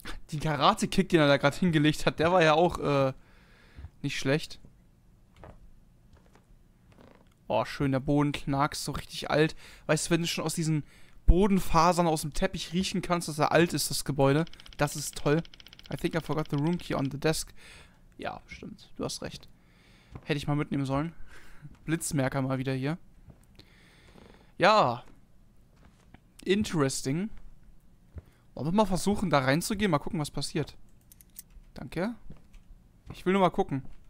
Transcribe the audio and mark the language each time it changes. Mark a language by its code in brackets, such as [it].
[de] Die Karate-Kick, den er da gerade hingelegt hat, der war ja auch nicht schlecht. Oh, schön, der Boden knackt, so richtig alt. Weißt du, wenn du schon aus diesen Bodenfasern aus dem Teppich riechen kannst, dass er alt ist, das Gebäude. Das ist toll. [en] I think I forgot the room key on the desk. [de] Ja, stimmt. Du hast recht. Hätte ich mal mitnehmen sollen. Blitzmerker mal wieder hier. Ja. Interesting. Wollen wir mal versuchen, da reinzugehen? Mal gucken, was passiert. Danke. Ich will nur mal gucken.